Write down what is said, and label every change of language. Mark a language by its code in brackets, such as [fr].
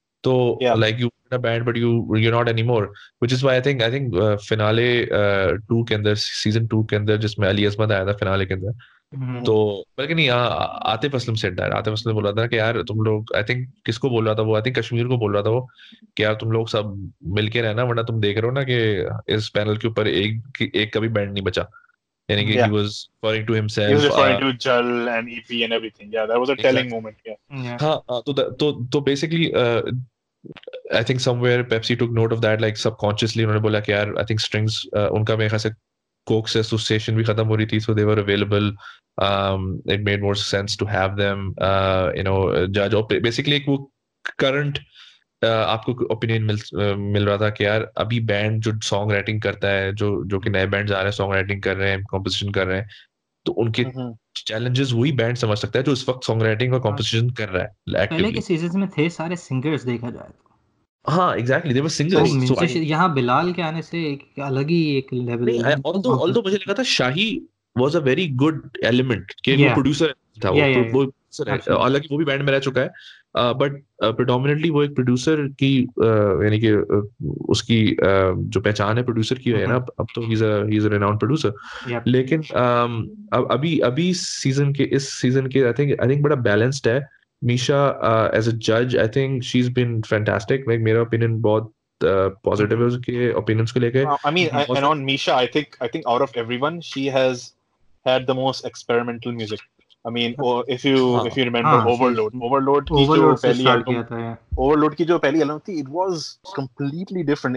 [en] So, like, you're in a band, but you're not anymore. Which is why I think finale 2 [hi] ke andar, season 2 ke andar, jisme Ali Azmat aaya tha finale ke andar, तो बल्कि नहीं, यहाँ [en] Atif Aslam said that. [hi] Atif Aslam बोला था कि यार तुम लोग, आई थिंक किसको बोल रहा था वो, आई थिंक कश्मीर को बोल रहा था वो कि यार तुम लोग सब मिलके रहना, वरना तुम देख रहे हो ना कि इस पैनल के ऊपर एक कभी बैंड नहीं बचा. यानी कि [en] he was referring to himself, he was referring to Jal and EP and everything. Yeah, that was a telling moment. तो basically I think somewhere Pepsi took note of that, like subconsciously [hi] उन्होंने बोला कि यार [en] I think strings [hi] उनका मेरे खासे [en] Coke's association [hi] भी खत्म हो रही थी, [en] so they were available. It made more sense to have them, judge. [hi] Basically, एक वो current आपको opinion मिल रहा था कि यार अभी band जो song writing करता है, जो कि नए band आ रहे हैं song writing कर रहे हैं, composition कर रहे हैं, तो उनके challenges वही band समझ सकता है जो इस वक्त song writing और composition कर रहा है actively. पहले के seasons में थे सारे singers देखा जाए तो. हाँ, exactly. [en] They were singers. [hi] यहाँ बिलाल के आने से एक अलग ही एक level. [en] Although [hi] मुझे लगा था [en] Shahi was a very good element. [hi] वो producer था वो. वो अलग ही, वो भी band में रह चुका है. But predominantly वो एक producer की, यानी कि उसकी जो पहचान है producer की है ना, अब तो [en] he's a renowned producer. [hi] लेकिन अभी season के, इस season के I think बड़ा balanced है. [en] Misha, as a judge, I think she's been fantastic. Like, my opinion is very positive on her opinions. I mean, and on Misha, I think out of everyone, she has had the most experimental music. I mean, if you remember Overload, it was completely different.